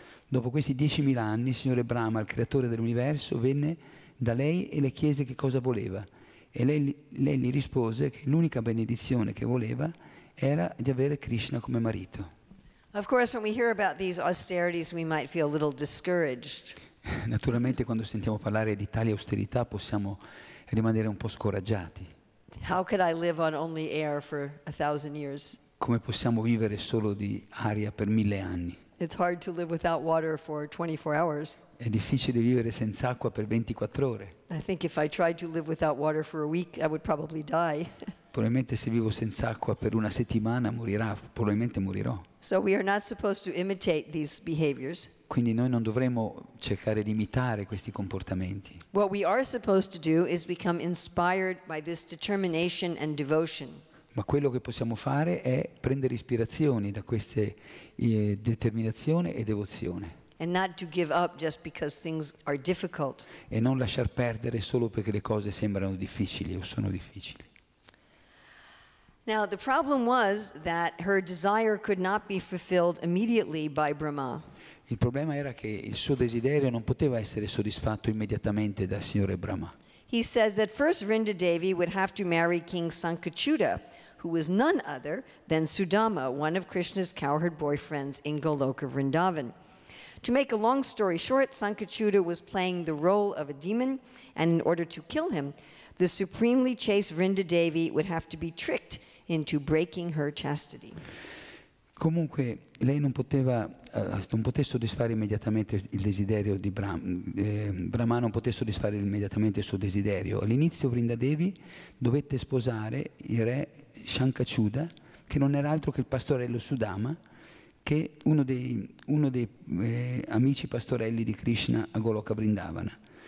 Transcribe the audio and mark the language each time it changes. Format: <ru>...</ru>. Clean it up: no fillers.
<it>Dopo questi 10.000 anni, il Signore Brahma, il creatore dell'universo, venne da lei e le chiese che cosa voleva. E lei gli rispose che l'unica benedizione che voleva era di avere Krishna come marito.</it> <en>Of course, when we hear about these austerities, we might feel a little discouraged.</en> <it>Naturalmente, quando sentiamo parlare di tali austerità, possiamo rimanere un po' scoraggiati.</it> <en>How could I live on only air for 1,000 years?</en> <it>Come possiamo vivere solo di aria per 1.000 anni?</it> <en>It's hard to live without water for 24 hours.</en> <it>È difficile vivere senza acqua per 24 ore.</it> <en>I think if I tried to live without water for a week, I would probably die.</en> <it>Probabilmente se vivo senza acqua per una settimana probabilmente morirò.</it> <en>So we are not supposed to imitate these behaviors.</en> <it>Quindi noi non dovremmo cercare di imitare questi comportamenti.</it> <en>What we are supposed to do is become inspired by this determination and devotion.</en> <it>Ma quello che possiamo fare è prendere ispirazioni da queste determinazione e devozione.</it> <en>and not to give up just because things are difficult.</en> <it>E non lasciar perdere solo perché le cose sembrano difficili o sono difficili.</it> <en>Now the problem was that her desire could not be fulfilled immediately by Brahma.</en> <it>Il problema era che il suo desiderio non poteva essere soddisfatto immediatamente dal signore Brahma.</it> <en>He says that first Vrinda Devi would have to marry King Sankachuta, who was none other than Sudama, one of Krishna's cowherd boyfriends in Goloka Vrindavan. To make a long story short, Sankachuta was playing the role of a demon, and in order to kill him, the supremely chaste Vrinda Devi would have to be tricked into breaking her chastity.</en> <it>Comunque, lei non poteva, non poté soddisfare immediatamente il desiderio di Brahma non poté soddisfare immediatamente il suo desiderio. All'inizio Vrinda Devi dovette sposare il re Sankachuta, che non era altro che il pastorello Sudama, che uno dei amici pastorelli di Krishna a Goloka Vrindavana.</it>